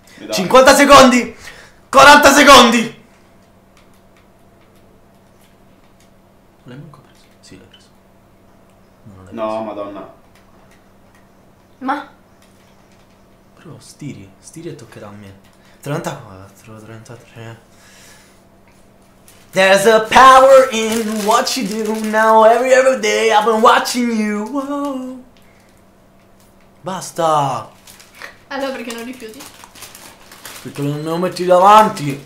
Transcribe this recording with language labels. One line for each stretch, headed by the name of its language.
Italian: 50 secondi. 40 secondi. L'hai manco preso? Sì, l'hai preso. No, preso. Madonna. Ma? Però stiri e toccherà a me. 34, 33.
English: There's a power in what you do now. Every day I've been watching you.
Italian: Whoa. Basta. Allora perché non rifiuti? Perché non me lo metti davanti.